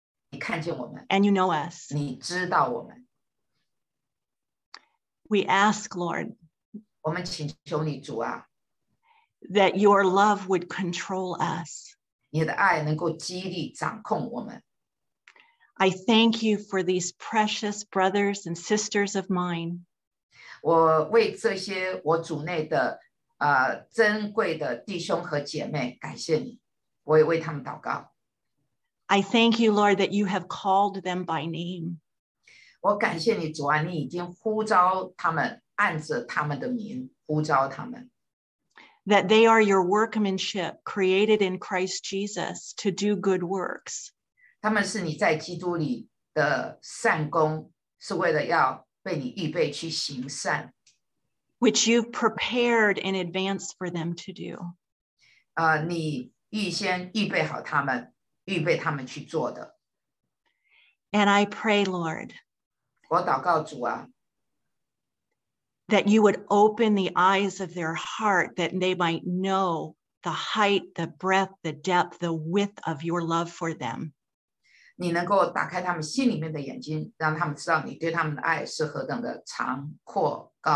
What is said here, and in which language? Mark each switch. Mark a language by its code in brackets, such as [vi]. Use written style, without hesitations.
[zh] 你看见我们。 [en] And you know us. [zh] 你知道我们。 [en] We ask, Lord. [zh] 我们请求你主啊。 [en] That your love would control us. [zh] 你的爱能够激励掌控我们。 [en] I thank you for these precious brothers and sisters of mine. [zh] 我为这些我主内的珍贵的弟兄和姐妹，感谢你，我也为他们祷告。 [en] I thank you, Lord, that you have called them by name. [zh] 我感谢你，主啊，你已经呼召他们，按着他们的名呼召他们。 [en] That they are your workmanship created in Christ Jesus to do good works. [zh] 他们是你在基督里的善工，是为了要被你预备去行善。 [en] Which you've prepared in advance for them to do. [zh] 你预先预备好他们，预备他们去做的。 [en] And I pray, Lord, [zh] 我祷告主啊, [en] that you would open the eyes of their heart that they might know the height, the breadth, the depth, the width of your love for them. [zh] 你能够打开他们心里面的眼睛，让他们知道你对他们的爱是何等的长阔。